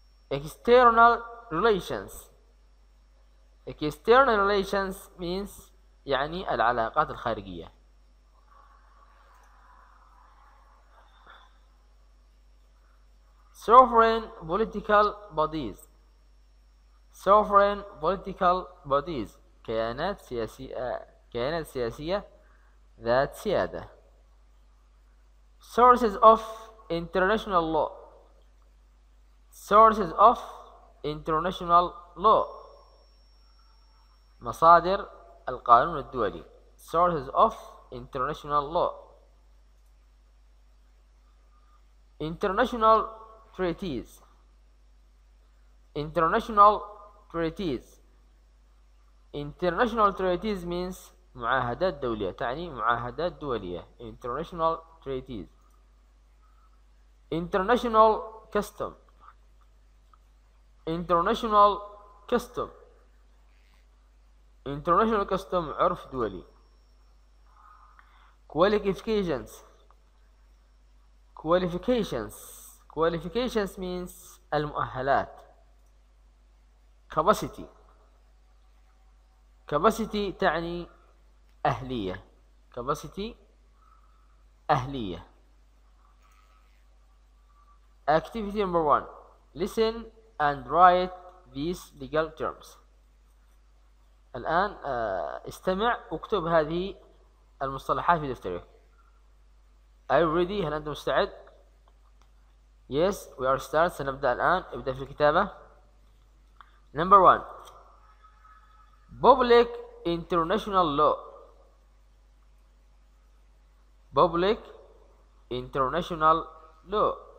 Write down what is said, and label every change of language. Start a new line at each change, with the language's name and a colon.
English: External relations. External relations means
Arabic: يعني العلاقات الخارجية.
English: Sovereign political bodies. Sovereign political bodies
Arabic: كيانات سياسية. كيانات سياسية ذات سيادة.
English: Sources of international law. Sources of international law
Arabic: مصادر القانون الدولي.
English: Sources of international law. International treaties. International treaties. International treaties means
Arabic: معاهدات دولية. تعني معاهدات دولية.
English: International treaties. International custom. International custom. International custom
Arabic: عرف دولي.
English: Qualifications. Qualifications. Qualifications means المؤهلات. Capacity.
Arabic: Capacity تعني أهلية.
English: Capacity أهلية. Activity number one. Listen and write these legal terms.
Arabic: الآن استمع واكتب هذه المصطلحات في دفترك.
English: Are you ready؟
Arabic: هل أنت مستعد؟
English: Yes, we are start.
Arabic: سنبدأ الآن. ابدأ في الكتابة.
English: Number one. Public international law. Public international law.